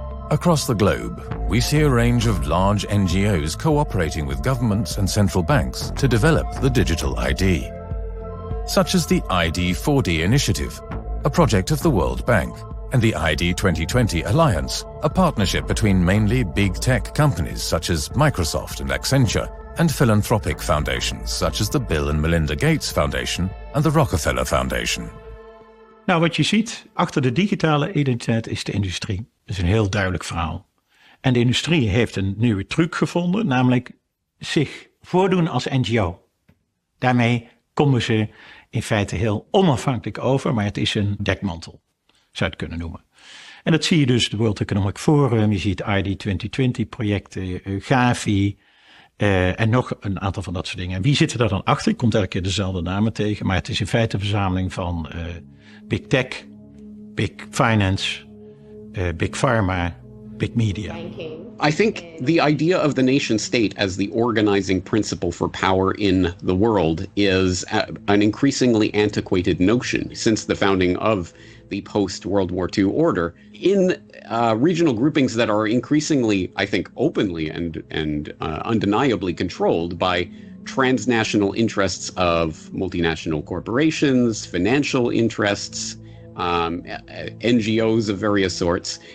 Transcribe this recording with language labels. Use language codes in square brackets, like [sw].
[en] Across the globe, we see a range of large NGOs cooperating with governments and central banks to develop the digital ID, such as the ID4D initiative, a project of the World Bank, and the ID 2020 Alliance, a partnership between mainly big tech companies such as Microsoft and Accenture, and philanthropic foundations such as the Bill and Melinda Gates Foundation and the Rockefeller Foundation. [nl] Nou, wat je ziet, achter de digitale identiteit is de industrie. Dat is een heel duidelijk verhaal. En de industrie heeft een nieuwe truc gevonden, namelijk zich voordoen als NGO. Daarmee komen ze in feite heel onafhankelijk over, maar het is een dekmantel, zou je het kunnen noemen. En dat zie je dus de World Economic Forum, je ziet ID 2020 projecten, Gavi en nog een aantal van dat soort dingen. En wie zit er dan achter? Ik kom elke keer dezelfde namen tegen, maar het is in feite een verzameling van big tech, big finance, big pharma, big media. [en] I think the idea of the nation state as the organizing principle for power in the world is an increasingly antiquated notion since the founding of the post-World War II order. In regional groupings that are increasingly, I think, openly and undeniably controlled by transnational interests of multinational corporations, financial interests, NGOs of various sorts.